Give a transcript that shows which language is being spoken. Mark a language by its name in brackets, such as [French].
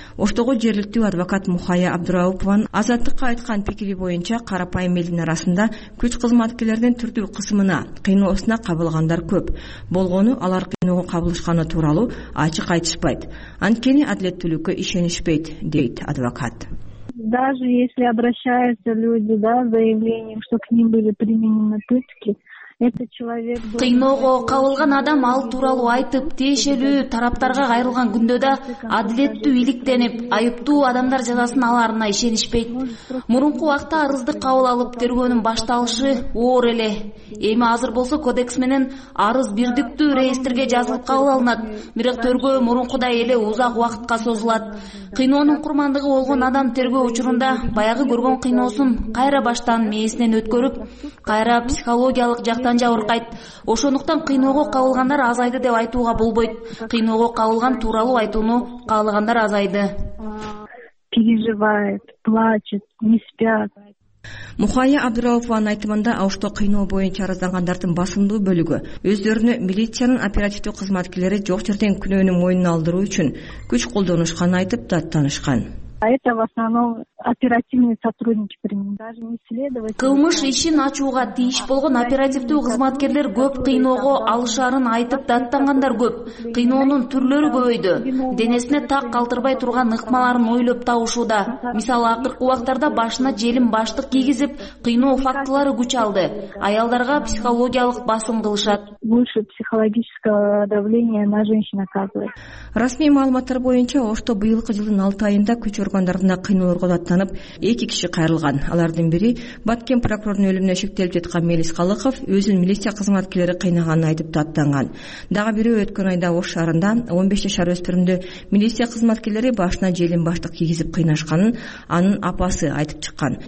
[Kyrgyz] Оштогу жергиликтүү адвокат Мухая Абдырауповун азаттыкка айткан пикири боюнча карапайым элдин арасында күч кызматкерлердин түрдүү кысымына, кыйноосуна кабылгандар көп. Болгону алар кыйноого кабылышканы тууралуу ачык айтышпайт. Анткени адилеттүүлүккө ишенишпейт, дейт адвокат. [Russian] Даже если обращаются люди, да, заявлением, что к ним были применены пытки, [Kyrgyz] кыйноого кабылган адам ал тууралуу айтып, тиешелүү тараптарга кайрылган күндө да адилеттүү иликтенип, айыптуу адамдар жазасын аларына ишенишпейт. Мурунку убакта арызды кабыл алып, тергөөнүн башталышы оор эле. Эми азыр болсо кодекс менен арыз бирдиктүү реестрге жазылып кабыл алынат. Бирок тергөө мурункудай эле узак убакытка созулат. Кыйноонун курмандыгы болгон адам тергөө учурунда баягы көргөн кыйноосун кайра баштан мээсинен өткөрүп, кайра психологиялык жактан жабыркайт. Ошондуктан кыйноого кабылгандар азайды деп айтууга болбойт. Кыйноого кабылган тууралуу айтууну каалагандар азайды. [Russian] Переживает, плачет, не спят. [Kyrgyz] Мухая Абдыраупованын айтымында Оштогу кыйноо боюнча арызданганардын басымдуу бөлүгү өздөрүнө милициянын оперативдүү кызматкерлери жок жерден күнөөнү мойнуна алдыруу үчүн күч колдонушканын айтып даттанышкан. [Russian] Это в основном оперативные сотрудники применены, даже не следователи. [Kyrgyz] Кылмыш ишин ачууга тийиш болгон оперативдүү кызматкерлер көп, кыйноого алышарын айтып даттангандар көп. Кыйноонун түрлөрү көбөйдү. Денесине так калтырбай турган ыкмаларын ойлоп табышууда. Мисалы, акыркы убактарда башына желим баштык кийгизип, кыйноо фактылары күч алды. Аялдарга психологиялык басым кылышат. [Russian] Больше психологического давления на женщин оказывается. [Kyrgyz] Расмий маалыматтар боюнча Ошто быйылкы жылдын 6 айында күч органдарына кыйноолорго даттанып, 2 киши кайрылган. Алардын бири Баткен прокурорунун өлүмүнө шектелип жаткан Мелис Калыков өзүн милиция кызматкерлери кыйнаганын айтып даттанган. Дагы бири өткөн айда Ош шаарында 15 жашар өспүрүмдү милиция кызматкерлери башына желим баштык кийгизип кыйнашканын анын апасы айтып чыккан.